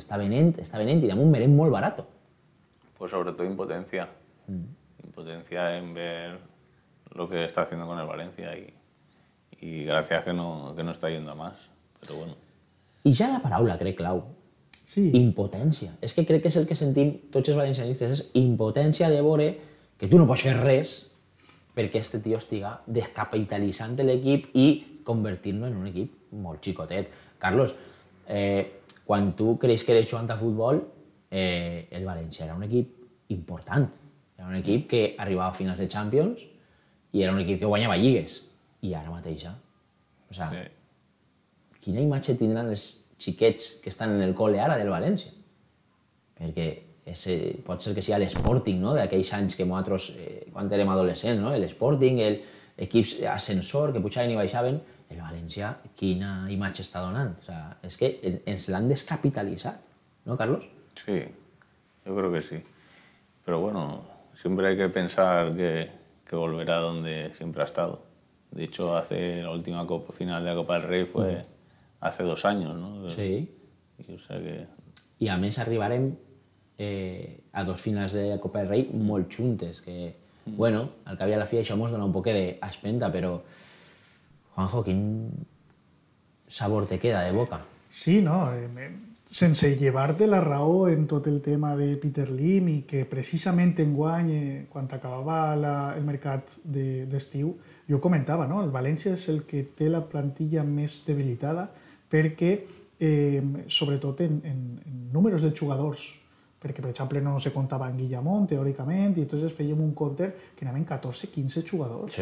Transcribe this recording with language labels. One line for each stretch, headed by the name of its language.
Catalan: Està venent i damunt merent molt barat. Pues sobretot impotència.
Spanish: Impotencia en ver lo que está haciendo con el Valencia y gracias que no está yendo a más,
Catalan: pero bueno. I ja la paraula, crec, clau. Sí. Impotència. És que crec que és el que sentim tots els valencianistes, és impotència de veure que tu no pots fer res perquè este tio estiga descapitalitzant l'equip i convertint-lo en un equip molt xicotet. Carlos, quan tu creus que eres jugant a futbol, el València era un equip important. Era un equip que arribava a finals de Champions i era un equip que guanyava lligues. I ara mateixa. O sigui, quina imatge tindran els xiquets que estan en el col·le ara del València? Perquè pot ser que sigui l'Sporting, no? D'aquells anys que nosaltres, quan érem adolescents, no? L'Sporting, l'equip ascensor que pujaven i baixaven. El València, quina imatge està donant? O sigui, és que ens l'han descapitalitzat, no, Carlos? Sí, jo crec que sí. Però bueno...
Spanish: Siempre hay que pensar que volverá donde siempre ha estado. De hecho, hace la última copa final de la Copa del Rey fue hace 2 años, ¿no? Sí. Y, o sea que...
Catalan: I a més arribarem a 2 finals de la Copa del Rey molt juntes, que, bueno, al cap i a la fi això mos dona un poc d'espenta, però, Juanjo, quin sabor te queda de boca? Sí, no... Sense llevar-te la raó en tot el tema de Peter Lim i que precisament enguany, quan acabava el mercat d'estiu, jo comentava, no? El València és el que té la plantilla més debilitada perquè, sobretot en números de jugadors, perquè, per exemple, no se comptava en Guillamón, teòricament, i llavors fèiem un compte que anaven 14-15 jugadors.